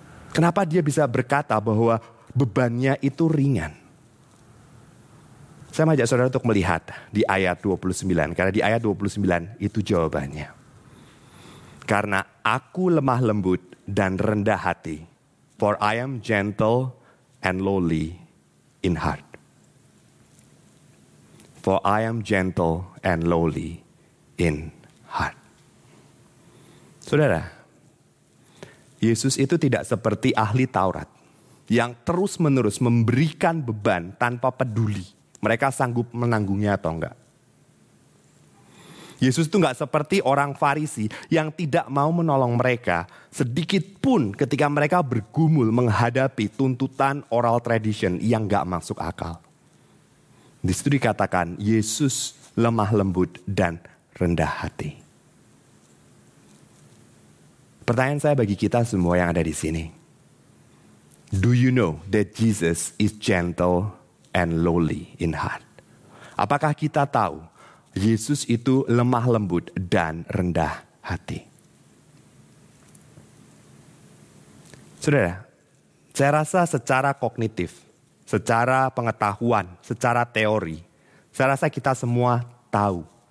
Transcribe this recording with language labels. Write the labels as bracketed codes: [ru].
[id] Kenapa dia bisa berkata bahwa bebannya itu ringan? Saya mengajak saudara untuk melihat di ayat 29. Karena di ayat 29 itu jawabannya. Karena aku lemah lembut dan rendah hati. [en] For I am gentle and lowly in heart. For I am gentle and lowly in heart. [id] Saudara, Yesus itu tidak seperti ahli Taurat yang terus-menerus memberikan beban tanpa peduli mereka sanggup menanggungnya atau enggak. Yesus itu enggak seperti orang Farisi yang tidak mau menolong mereka sedikit pun ketika mereka bergumul menghadapi tuntutan [en] oral tradition [id] yang enggak masuk akal. Di situ dikatakan Yesus lemah lembut dan rendah hati. Pertanyaan saya bagi kita semua yang ada di sini. [en] Do you know that Jesus is gentle and lowly in heart? [id] Apakah kita tahu Yesus itu lemah lembut dan rendah hati? Saudara, saya rasa secara kognitif, secara pengetahuan, secara teori, saya rasa kita semua tahu.